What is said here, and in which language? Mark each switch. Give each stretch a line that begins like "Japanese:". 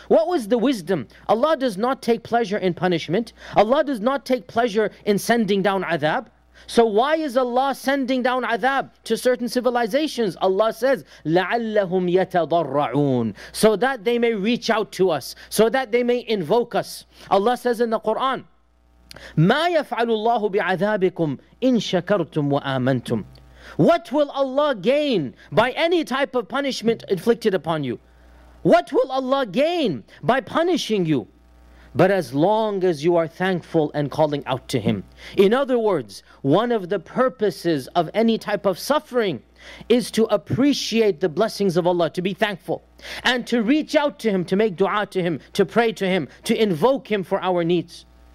English: What was the wisdom? Allah does not take pleasure in punishment. Allah does not take pleasure in sending down azab. So why is Allah sending down azab to certain civilizations? Allah says,
Arabic: لَعَلَّهُمْ يَتَضَرَّعُونَ,
English: so that they may reach out to us, so that they may invoke us. Allah says in the Quran,
Arabic: مَا يَفْعَلُ اللَّهُ بِعَذَابِكُمْ إِن شَكَرْتُمْ وَآمَنْتُمْ.
English: What will Allah gain by any type of punishment inflicted upon you? What will Allah gain by punishing you? But as long as you are thankful and calling out to Him. In other words, one of the purposes of any type of suffering is to appreciate the blessings of Allah, to be thankful, and to reach out to Him, to make dua to Him, to pray to Him, to invoke Him for our needs.